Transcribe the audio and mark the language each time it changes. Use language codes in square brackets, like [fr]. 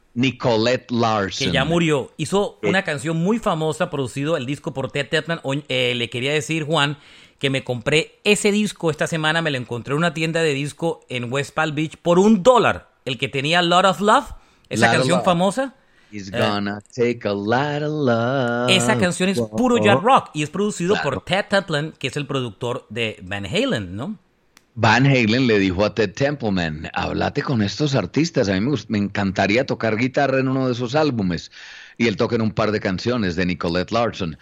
[es] Nicolette Larson. Que ya murió. Hizo una canción muy famosa, producido el disco por Ted Templeman. Le quería decir, Juan, que me compré ese disco esta semana. Me lo encontré en una tienda de disco en West Palm Beach por $1. El que tenía Lot of Love, esa canción famosa. [en] He's gonna take a lot of love. [es] Esa canción es puro yacht rock y es producido por Ted Templeman, que es el productor de Van Halen, ¿no? Van Halen le dijo a Ted Templeman, háblate con estos artistas, a mí me encantaría tocar guitarra en uno de esos álbumes. Y él toca en un par de canciones de Nicolette Larson.